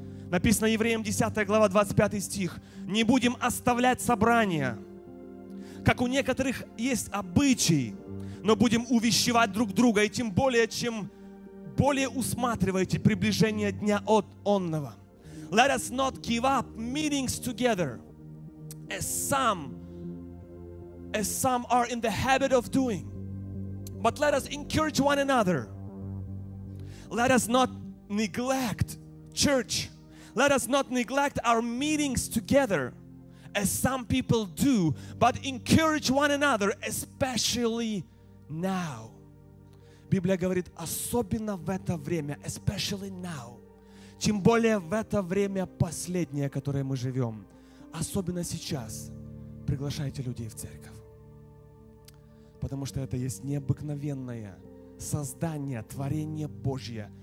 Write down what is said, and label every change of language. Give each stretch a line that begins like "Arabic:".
Russian: Написано Евреям 10 глава 25 стих. Не будем оставлять собрания, как у некоторых есть обычай, но будем увещевать друг друга, и тем более, чем более усматриваете приближение дня от онного.
English: Let us not give up meetings together, as some are in the habit of doing, but let us encourage one another. Let us not neglect church. Let us not neglect our meetings together, as some people do, but encourage one another, especially now.
Russian: Библия говорит, особенно в это время,
English: especially now,
Russian: тем более в это время последнее, которое мы живем, особенно сейчас, приглашайте людей в церковь. Потому что это есть необыкновенное создание, творение Божье.